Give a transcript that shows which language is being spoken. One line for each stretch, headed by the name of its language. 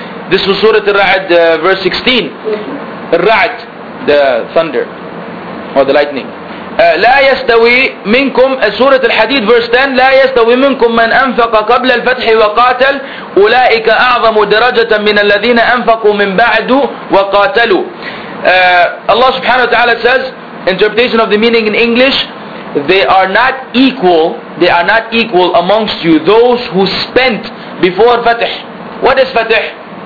English: This was Surah Al-Ra'd verse 16. Al-Ra'd, the thunder or the lightning.
Arabic: لا يستوي منكم, سورة الحديد verse 10, لا يستوي منكم من أنفق قبل الفتح وقاتل أولئك أعظم درجة من الذين أنفقوا من بعد وقاتلوا.
English: Allah subhanahu wa ta'ala says, interpretation of the meaning in English, they are not equal amongst you, those who spent before Fatih. What is Fatih?